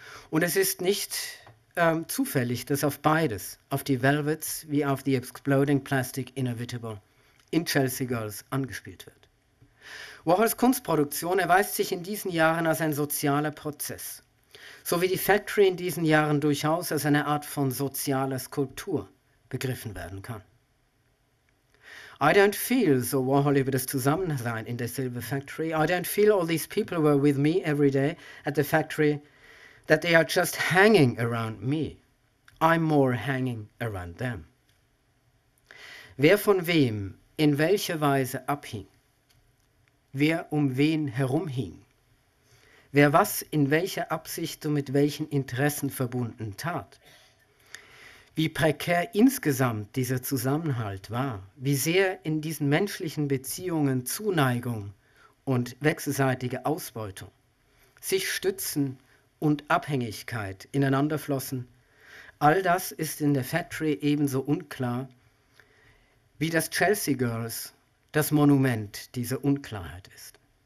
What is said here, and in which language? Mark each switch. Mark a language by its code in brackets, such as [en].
[de] Und es ist nicht zufällig, dass auf beides, auf die Velvets wie auf The Exploding Plastic Inevitable, in Chelsea Girls angespielt wird. Warhols Kunstproduktion erweist sich in diesen Jahren als ein sozialer Prozess, so wie die Factory in diesen Jahren durchaus als eine Art von sozialer Skulptur begriffen werden kann. [en] I don't feel, [de] so Warhol über das Zusammensein in der Silver Factory, [en] I don't feel all these people were with me every day at the factory, that they are just hanging around me. I'm more hanging around them. [de] Wer von wem in welcher Weise abhing, wer um wen herumhing, wer was in welcher Absicht und mit welchen Interessen verbunden tat, wie prekär insgesamt dieser Zusammenhalt war, wie sehr in diesen menschlichen Beziehungen Zuneigung und wechselseitige Ausbeutung sich Stützen und Abhängigkeit ineinander flossen, all das ist in der Factory ebenso unklar, wie das Chelsea Girls das Monument dieser Unklarheit ist.